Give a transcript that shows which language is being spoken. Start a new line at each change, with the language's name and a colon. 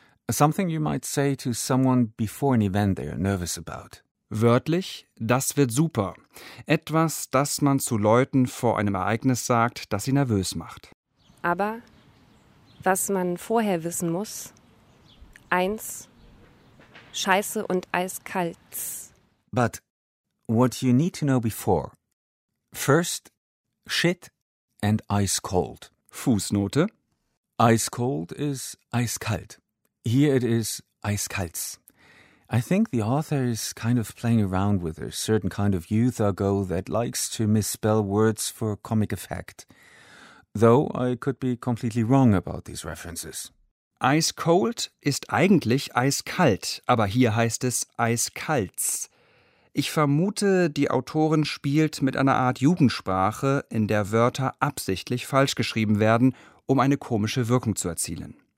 English: Something you might say to someone before an event they're nervous about.
German: Wörtlich, das wird super. Etwas, das man zu Leuten vor einem Ereignis sagt, das sie nervös macht. Aber was man vorher wissen muss, 1, Scheiße und eiskalt.
English: But what you need to know before. First, shit and ice cold.
German: Fußnote.
English: Ice cold is eiskalt. Here it is eiskalt. I think the author is kind of playing around with a certain kind of youth ago that likes to misspell words for comic effect. Though I could be completely wrong about these references.
German: Ice cold ist eigentlich eiskalt, aber hier heißt es eiskalts. Ich vermute, die Autorin spielt mit einer Art Jugendsprache, in der Wörter absichtlich falsch geschrieben werden, um eine komische Wirkung zu erzielen.